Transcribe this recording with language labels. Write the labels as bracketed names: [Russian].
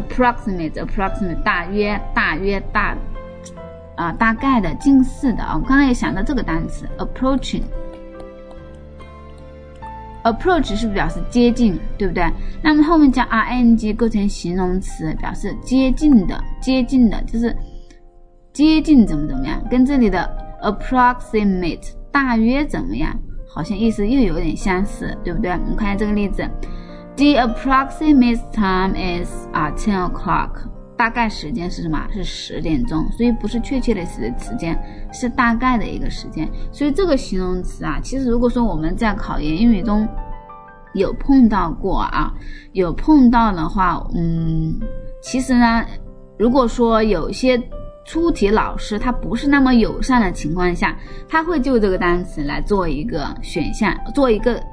[Chinese] approximate 大约大约大啊大概的近似的啊，我刚才也想到这个单词 approach 是不是表示接近，对不对？那么后面加 ing 构成形容词，表示接近的，接近的就是接近怎么怎么样，跟这里的 approximate 大约怎么样好像意思又有点相似，对不对？我们看一下这个例子。 [English] The approximate time is 10 o'clock. [Chinese] 大概时间是什么？是10点钟。所以不是确切的时间，是大概的一个时间。所以这个形容词啊，其实如果说我们在考研英语中有碰到过啊，有碰到的话，其实呢，如果说有些出题老师他不是那么友善的情况下，他会就这个单词来做一个选项，做一个